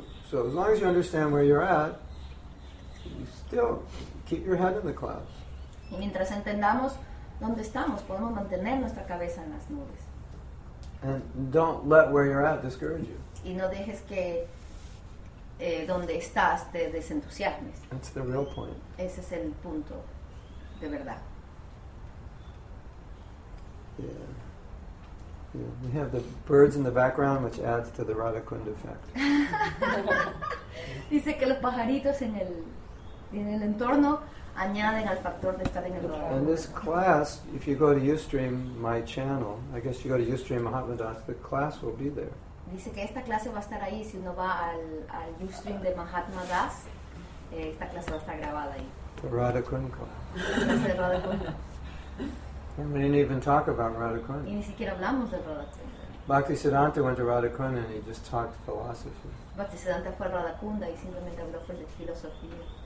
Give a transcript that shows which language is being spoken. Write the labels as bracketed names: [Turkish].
[English] So as long as you understand where you're at, you still keep your head in the clouds. [Spanish] Y mientras entendamos dónde estamos, podemos mantener nuestra cabeza en las nubes. [English] And don't let where you're at discourage you. [Spanish] Y no dejes que donde estás te desentusiasmes. [English] That's the real point. [Spanish] Ese es el punto. De verdad. [English] Yeah. Yeah. We have the birds in the background, which adds to the Radha Kunda effect. [Spanish] Dice que los pajaritos en el entorno añaden al factor de estar en el lugar. [English] And this class, if you go to Ustream, my channel, I guess you go to Ustream Mahatma Das, the class will be there. [Spanish] Dice que esta clase va a estar ahí si uno va al Ustream de Mahatma Das. Esta clase va a estar grabada ahí. [English] The Radha Kunda class. And we didn't even talk about Radha Kunda. [Spanish] Y ni siquiera hablamos de Radha Kunda. [English] Bhaktisiddhanta went to Radha Kunda and he just talked philosophy. [Spanish] Bhaktisiddhanta fue a Radha Kunda y simplemente habló de filosofía.